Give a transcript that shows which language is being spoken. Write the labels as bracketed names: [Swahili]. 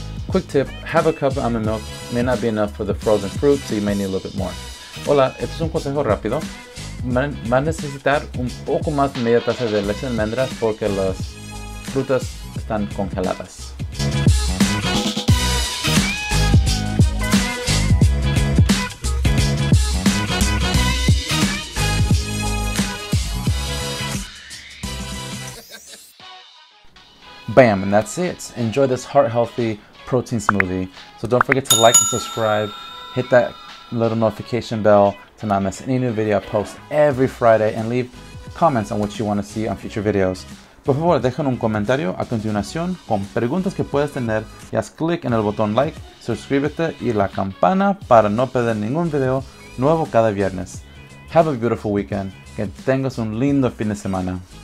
[English] Quick tip, half a cup of almond milk may not be enough for the frozen fruit, so you may need a little bit more. [Spanish] Hola, esto es un consejo rápido. Vas a necesitar un poco más de media taza de leche de almendras porque las frutas están congeladas. [English] Bam, and that's it. Enjoy this heart-healthy protein smoothie. So don't forget to like and subscribe. Hit that little notification bell to not miss any new video I post every Friday, and leave comments on what you want to see on future videos. [Spanish] Por favor, dejen un comentario a continuación con preguntas que puedes tener y haz click en el botón like, suscríbete y la campana para no perder ningún video nuevo cada viernes. [English] Have a beautiful weekend. [Spanish] Que tengas un lindo fin de semana.